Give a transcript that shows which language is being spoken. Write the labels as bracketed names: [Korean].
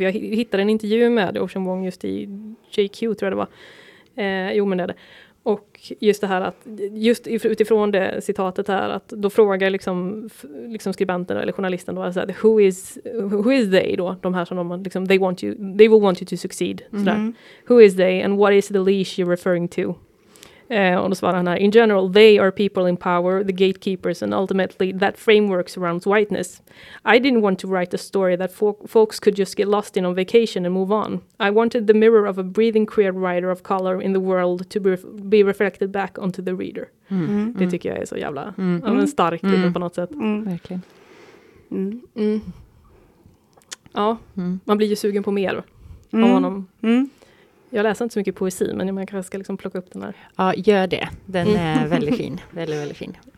[Swedish] Jag hittade en intervju med Ocean Vuong just i JQ tror jag det var. Och just det här att, just utifrån det citatet här, att då frågar liksom skribenten eller journalisten då, så här, [English] who is they [Swedish] då, de här som de liksom, [English] they will want you to succeed, [Swedish] så där. [English] Who is they and what is the leash you're referring to? [Swedish] Och då svarar han här, [English] in general, they are people in power, the gatekeepers, and ultimately that framework surrounds whiteness. I didn't want to write a story that folks could just get lost in on vacation and move on. I wanted the mirror of a breathing queer writer of color in the world to be reflected back onto the reader. [Swedish] Det tycker jag är så jävla starkt på något sätt. Verkligen. Ja, man blir ju sugen på mer av honom. Jag läser inte så mycket poesi, men man kanske ska liksom plocka upp den här. Ja, gör det. Den är väldigt fin. Väldigt, väldigt fin.